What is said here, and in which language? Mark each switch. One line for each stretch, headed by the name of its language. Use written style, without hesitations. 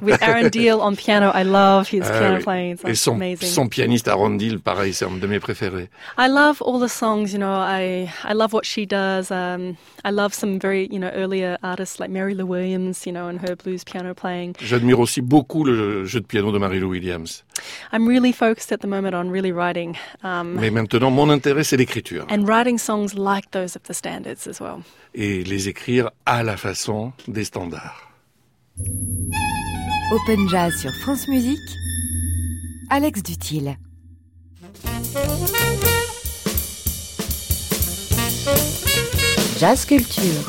English: With Aaron Deal on piano, I love his piano playing. It's amazing.
French: Son pianiste Aaron Deal, pareil, c'est un de mes préférés.
English: I love all the songs, you know, I love what she does. I love some very, you know, earlier artists like Mary Lou Williams, you know, and her blues piano playing.
French: J'admire aussi beaucoup le jeu de piano de Mary Lou Williams.
English: I'm really focused at the moment on really writing.
French: Mais maintenant, mon intérêt, c'est l'écriture.
English: And writing songs like those of the standards as well.
French: Et les écrire à la façon des standards. Open Jazz sur France Musique, Alex Dutille. Jazz Culture.